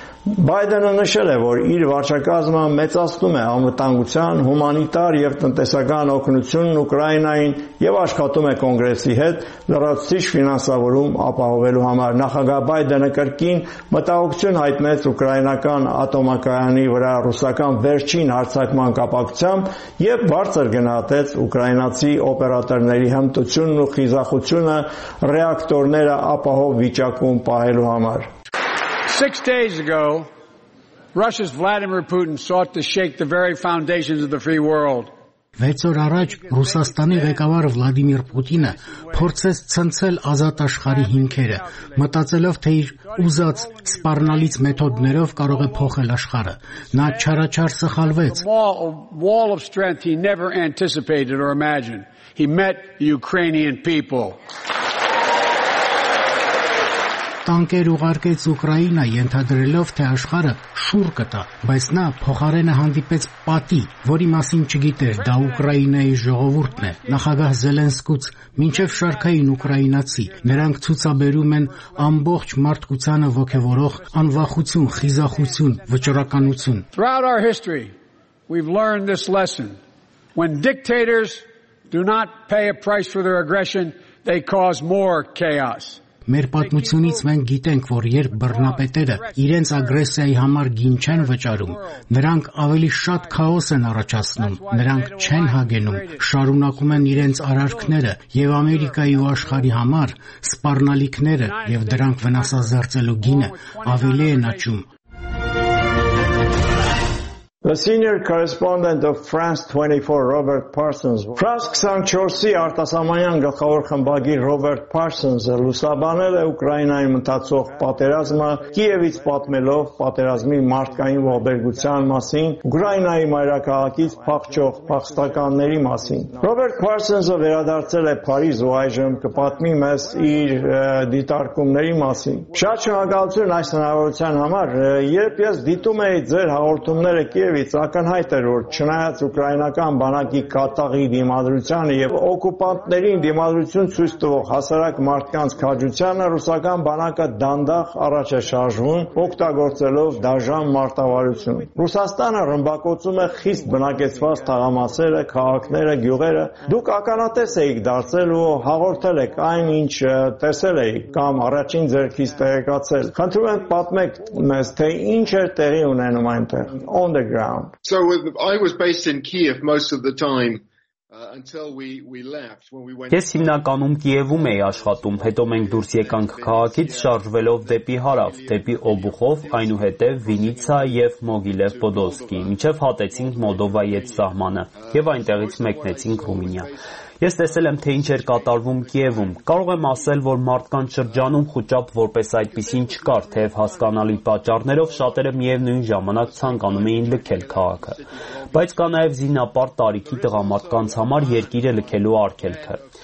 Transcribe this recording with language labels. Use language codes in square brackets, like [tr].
[hy] Բայդենը նշել է, որ իր վարչակազմը մեծացնում է անվտանգության, հումանիտար և տնտեսական օգնությունն Ուկրաինային և աշխատում է կոնգրեսի հետ լրացուցիչ ֆինանսավորում ապահովելու համար։ Նախագահ Բայդենը կրկին մտահոգություն հայտնեց ուկրաինական ատոմակայանի վրա ռուսական վերջին հարձակման կապակցությամբ և բարձր գնահատեց ուկրաինացի օպերատորների հմտությունն ու խիզախությունը ռեակտորները ապահով վիճակում պահելու համար։ [en] 6 days ago, Russia's Vladimir Putin sought to shake the very foundations of the free world. [hy] 6 օր առաջ Ռուսաստանի ղեկավար Վլադիմիր Պուտինը փորձեց ցնցել ազատ աշխարհի հիմքերը, մտածելով, թե իր ուզած սպառնալից մեթոդներով կարող է փոխել աշխարհը։ Նա չարաչար սխալվեց։ [en] He met Ukrainian people. [hy] Տանկեր ուղարկեց Ուկրաինա, ենթադրելով, թե աշխարհը շուռ կտա, բայց նա փոխարենը հանդիպեց պատի, որի մասին չգիտեր, դա Ուկրաինայի ժողովուրդն է, նախագահ Զելենսկուց, մինչև շարքային ուկրաինացի, նրանք ցուցաբերում են ամբողջ մարդկությանը ոգևորող անվախություն, խիզախություն, վճռականություն. [en] Throughout our history, we've learned this lesson. When dictators do not pay a price for their aggression, they cause more chaos. [hy] Մեր պատմությունից մենք գիտենք, որ երբ բռնապետերը իրենց ագրեսիայի համար գին չեն վճարում, նրանք ավելի շատ քաոս են առաջացնում, նրանք չեն հագենում, շարունակում են իրենց արարքները եւ Ամերիկայի ու աշխարհի համար սպառնալիքները եւ դրանք վնասազերծելու գինը ավելի են աճում. [en] The senior correspondent of France 24, Robert Parsons. [hy] France 24-ի արտասահմանյան գլխավոր խմբագիր Robert Parsons-ը լուսաբանել է Ուկրաինայի մտածող պատերազմը, Կիևից պատմելով պատերազմի մարդկային ողբերգության մասին, Ուկրաինայի մայրաքաղաքից փախչող փախստականների մասին. Robert Parsons-ը վերադարձել է Փարիզ ու այժմ կպատմի մեզ իր դիտարկումների մասին. Շատ շնորհակալություն այս հնարավորության համար, երբ ես դիտում էի ձեր հաղորդումները, Եվից ակնհայտ էր, որ չնայած ուկրաինական բանակի կատաղի դիմադրությանը եւ օկուպանտներին դիմադրություն ցույց տվող հասարակ մարդկանց քաջությանը ռուսական բանակը դանդաղ առաջ է շարժվում, օգտագործելով դաժան մարտավարություն։ Ռուսաստանը ռմբակոծում է խիստ բնակեցված թաղամասերը, քաղաքները, գյուղերը։ Դուք ականատես էիք դարձել ու հաղորդել եք այն, ինչ տեսել էիք կամ առաջին ձեռքից տեղեկացել։ Խնդրում եմ պատմեք մեզ, թե ինչ էր տեղի ունենում այնտեղ։ [en] So I was based in Kiev most of the time until we left when we went [hy] Ես հիմնականում Կիևում էի աշխատում, հետո մենք դուրս եկանք քաղաքից շարժվելով դեպի հարավ, դեպի Օբուխով, այնուհետև Վինիցա եւ Մոգիլև Պոդոլսկի, միջև հատեցինք Մոլդովայի հետ սահմանը եւ այնտեղից մեկնեցինք Ռումինիա։ Ես տեսել եմ, թե ինչ էր կատարվում Կիևում։ Կարող եմ ասել, որ մարդկանց շրջանում խուճապ որպես այդպիսին չկար, թեև հասկանալի պատճառներով շատերը միևնույն ժամանակ ցանկանում էին լքել քաղաքը։ Բայց կա նաև զինապարտ տարիքի տղամարդկանց համար երկիրը լքելու արգելքը։